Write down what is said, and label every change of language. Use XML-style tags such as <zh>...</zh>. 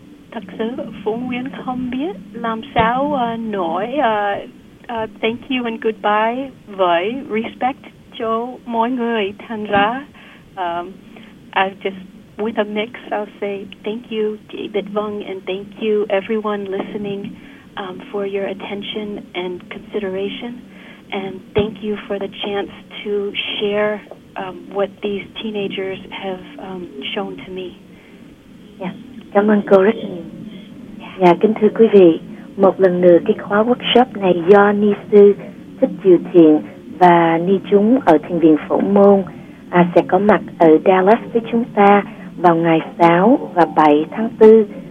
<vi>Thật sự Phổ Nguyện không biết làm sao nói</vi> <en>thank you and goodbye</en> <vi>với respect cho mọi người. Thành ra</vi> <en>I just with a mix I'll say thank you chị Bích Vân, and thank you everyone listening for your attention and consideration, and thank you for the chance to share what these teenagers have shown to me.</en> <vi>Cảm ơn cô rất nhiều. Kính thưa quý vị, một lần nữa cái khóa workshop này do Ni Sư Thích Diệu Thiện và Ni Chúng ở Thiền viện Phổ Môn sẽ có mặt ở Dallas với chúng ta vào ngày 6 và 7 tháng 4.</vi>